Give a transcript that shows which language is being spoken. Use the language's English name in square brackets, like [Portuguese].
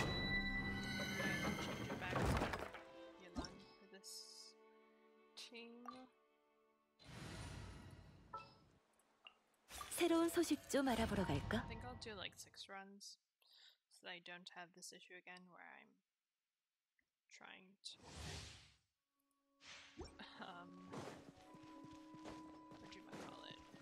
[English] Change it back to Yelan for this team. [Korean] 새로운 소식 좀 알아보러 갈까? [English] I think I'll do like 6 runs so that I don't have this issue again where I'm trying to whatchamacallit.